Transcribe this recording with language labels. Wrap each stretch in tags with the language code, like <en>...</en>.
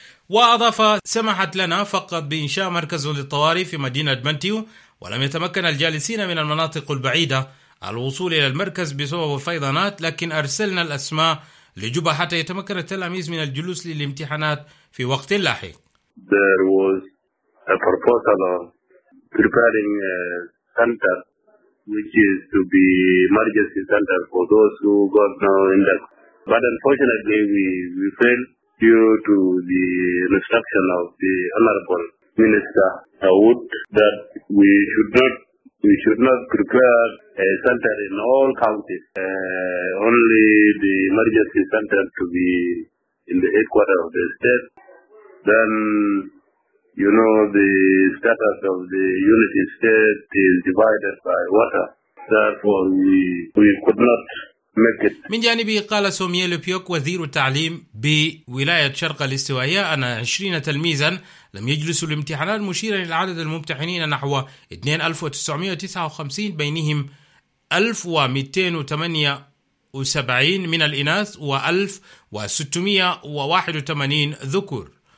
<ar>وأضاف: سمحت لنا فقط بإنشاء مركز للطوارئ في مدينة بنتيو، ولم يتمكن الجالسين من المناطق البعيدة الوصول إلى المركز بسبب الفيضانات، لكن أرسلنا الأسماء لجوبا حتى يتمكن التلاميذ من الجلوس للامتحانات في وقت لاحق.</ar> <en>There was a proposal on preparing a center which is to be emergency center for those who got now in the but unfortunately we failed due to the instruction of the honorable minister Dawood that we should not prepare a center in all counties, only the emergency center to be in the headquarters of the state. Then, you know, the status of the unity state is divided by water. Therefore, we could not make it.</en> <ar>من جانبه قال سوميل بيوك وزير التعليم بولاية شرق الاستوائية أن 20 تلميذاً لم يجلسوا الامتحانات، مشيرا إلى عدد الممتحنين نحو 2959 بينهم 1278 من الإناث و 1681 ذكور.</ar>